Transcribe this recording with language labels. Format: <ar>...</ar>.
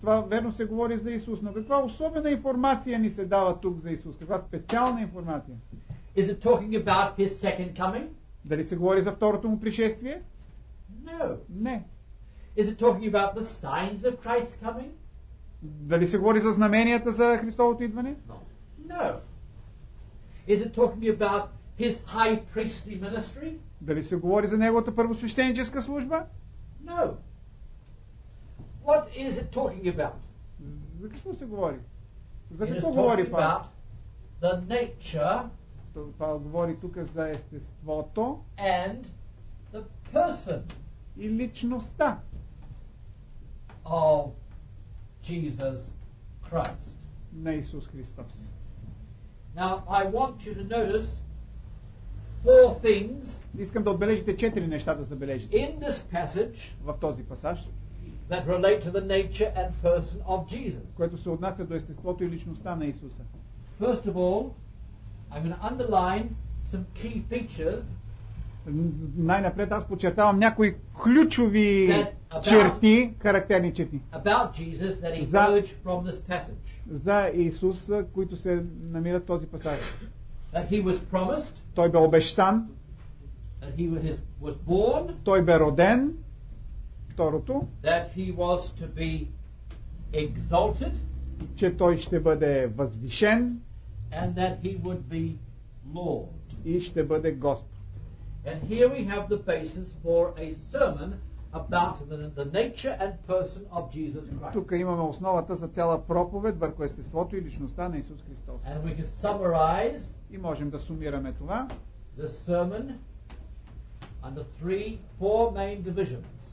<bg>Това верно се говори за Исус, но каква особена информация ни се дава тук за Исус? Каква специална информация?</bg> <en>Is it talking about his second coming?</en> <bg>Дали се говори за второто му пришествие?</bg> <en>No.</en> <bg>Не.</bg> <en>Is it talking about the signs of Christ's coming?</en> <bg>Дали се говори за знаменията за Христовото идване?</bg> <en>No. No. Is it talking about his high priestly ministry?</en> <bg>Дали се говори за неговата първосвещеническа служба?</bg> <en>No. What is it talking about?</en> <bg>За какво се говори? За какво говори Павел?</bg> <en>About the nature.</en> <bg>Павел говори тук за естеството.</bg> <en>And the person.</en> <bg>И личността.</bg> <en>Of Jesus Christ.</en> <bg>На Исус Христос.</bg> <en>Now I want you to notice four things.</en> <bg>Искам да отбележите четири неща да забележите.</bg> <en>In this passage.</en> <bg>В този пасаж.</bg> <en>That relate to the nature and person of Jesus.</en> <bg>Което се отнася до естеството и личността на Исуса.</bg> <en>First of all, I'm going to underline some key features.</en> <bg>Най-напред аз подчертавам някои ключови черти, характерни черти.</bg> <en>About Jesus that emerge from this passage.</en> <bg>За Исус, които се намират в този пасаж.</bg> <en>That he was promised.</en> <bg>Той бе обещан.</bg> <en>That he was born.</en> <bg>Той бе роден. Второто.</bg> <en>That he was to be exalted.</en> <bg>Че той ще бъде възвишен.</bg> <en>And that he would be Lord.</en> <bg>И ще бъде Господ.</bg> <en>And here we have the basis for a sermon about the nature and person of Jesus Christ.</en> <bg>Тук имаме основата за цяла проповед върху естеството и личността на Исус Христос.</bg> <en>And we can summarize.</en> <bg>И можем да сумираме това.</bg> <en>The sermon under four main divisions.</en>